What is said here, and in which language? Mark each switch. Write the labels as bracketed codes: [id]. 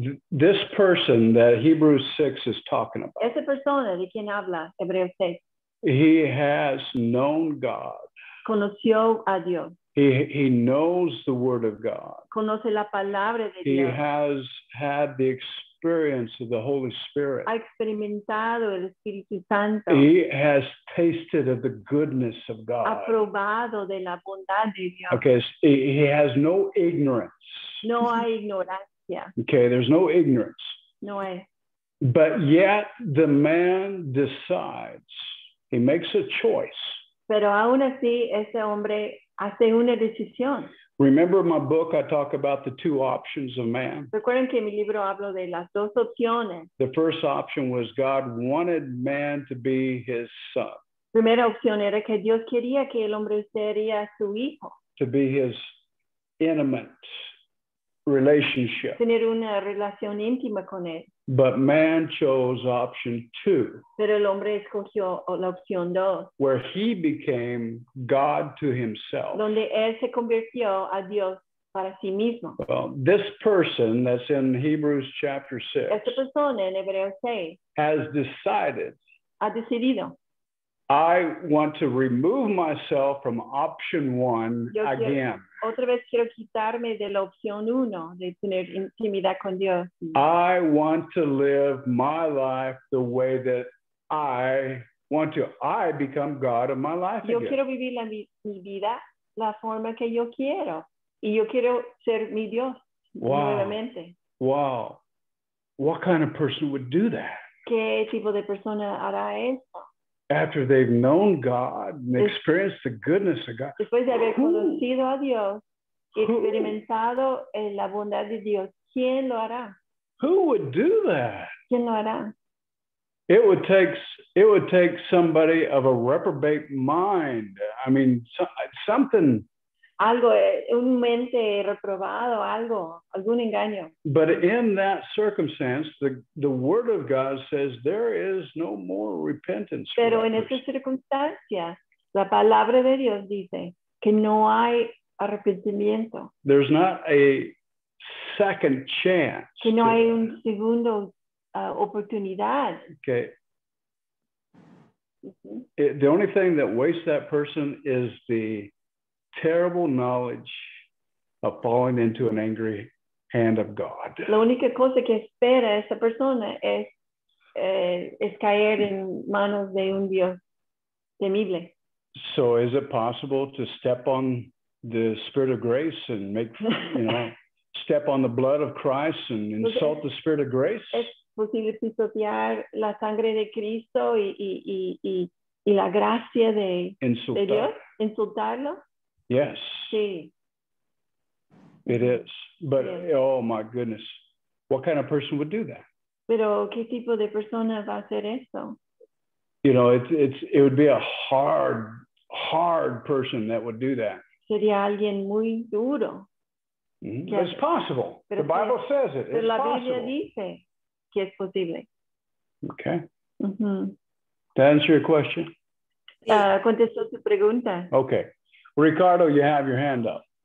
[en] This person that Hebrews 6 is talking about. [es] Esa persona de quien habla Hebreos 6. [en] He has known God. [es] Conoció a Dios. [en] He knows the word of God. [es] Conoce la palabra de Dios. [en] He has had the experience of the Holy Spirit. [es] Ha experimentado el Espíritu Santo. [en] He has tasted of the goodness of God. [es] Ha probado de la bondad de Dios. [en] Okay, so he has no ignorance. [es] No hay ignorancia. [en] Okay, there's no ignorance. [es] No hay. [en] But yet the man decides. He makes a choice. [es] Pero aún así ese hombre hace una decisión. [en] Remember my book, I talk about the two options of man. [es] Recuerden que en mi libro hablo de las dos opciones. [en] The first option was God wanted man to be his son. [es] Primera opción era que Dios quería que el hombre sería su hijo. [en] To be his intimate relationship. [es] Tener una relación íntima con él. [en] But man chose option two. [es] Pero el hombre escogió la opción dos. [en] Where he became God to himself. [es] Donde él se convirtió a Dios para sí mismo. [en] Well, this person that's in Hebrews chapter 6. [es] Esta persona en Hebreos 6. [en] Has decided. [es] Ha decidido. [en] I want to remove myself from option one again. [es] Otra vez quiero quitarme de la opción uno, de tener intimidad con Dios. [en] I want to live my life the way that I want to. I become God of my life [es] yo [en] again. [es] Quiero vivir mi vida la forma que yo quiero. Y yo quiero ser mi Dios. Wow. Nuevamente. Wow. [en] What kind of person would do that? [es] ¿Qué tipo de persona hará eso? [en] After they've known God and experienced the goodness of God. [es] Después de haber conocido a Dios y experimentado en la bondad de Dios, ¿quién lo hará? [en] Who would do that? [es] ¿Quién lo hará? [en] It would take somebody of a reprobate mind. I mean, something [es] algo, un mente reprobado, algo, algún engaño. [en] But in that circumstance, the word of God says there is no more repentance. [es] Pero en esa circunstancia, la palabra de Dios dice que no hay arrepentimiento. [en] There's not a second chance. [es] Que no hay un segundo oportunidad. [en] Okay. The only thing that wastes that person is the terrible knowledge of falling into an angry hand of God. [es] La única cosa que espera esa persona es, es caer en manos de un Dios temible. [en] So is it possible to step on the Spirit of Grace and make, you know, step on the blood of Christ and insult the Spirit of Grace? [es] ¿Es posible pisotear la sangre de Cristo y la gracia de, de Dios? ¿Insultarlo? [en] Yes. [es] Sí. [en] It is. But, yes. Oh my goodness, what kind of person would do that? [es] ¿Pero qué tipo de persona va a hacer eso? [en] You know, it would be a hard, hard person that would do that. [es] Sería alguien muy duro. [en] Mm-hmm. It's possible. [es] Pero [en] the Bible says it. It's [es] la [en] possible. [es] Biblia dice que es posible. [en] Okay. Mm-hmm. To answer your question? [es] Contestó su pregunta. [en] Okay. Ricardo, you have your hand up.